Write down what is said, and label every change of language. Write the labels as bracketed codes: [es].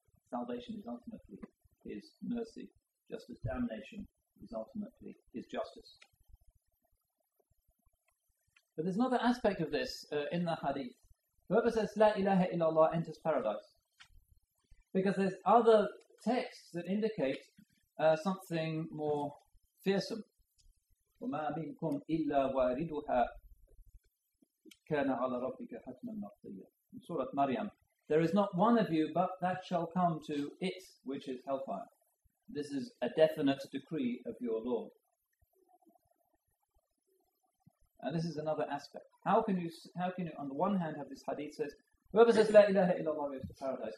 [en] Salvation is ultimately his mercy, just as damnation is ultimately his justice. But there's another aspect of this in the hadith. Whoever says, La ilaha illallah enters paradise. Because there's other texts that indicate something more fearsome. [ar] وَمَا مِنْكُمْ إِلَّا وَارِدُهَا كَانَ عَلَى رَبِّكَ حَتْمًا مَقْضِيًّا Surah Maryam. [en] There is not one of you but that shall come to it, which is hellfire. This is a definite decree of your Lord. And this is another aspect. How can you, on the one hand, have this hadith says, whoever says, [ar] لَا إِلَهَ إِلَّا اللَّهُ [en] goes to paradise.